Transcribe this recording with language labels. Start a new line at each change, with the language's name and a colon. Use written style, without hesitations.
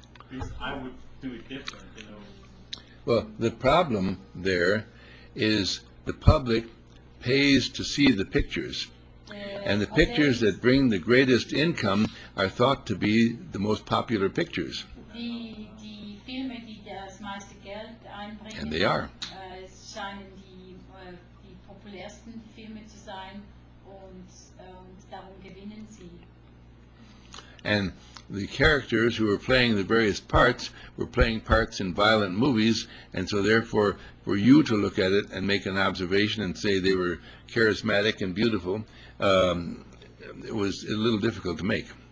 English: Because I would do it different, you know. Well, the problem there is the public pays to see the pictures. And the pictures that bring the greatest income are thought to be the most popular pictures.
German: Die Filme, die das meiste Geld einbringen.
English: And they are.
German: Scheinen die populärsten Filme zu sein und darum gewinnen sie.
English: And the characters who were playing the various parts were playing parts in violent movies, and so therefore for you to look at it and make an observation and say they were charismatic and beautiful, it was a little difficult to make.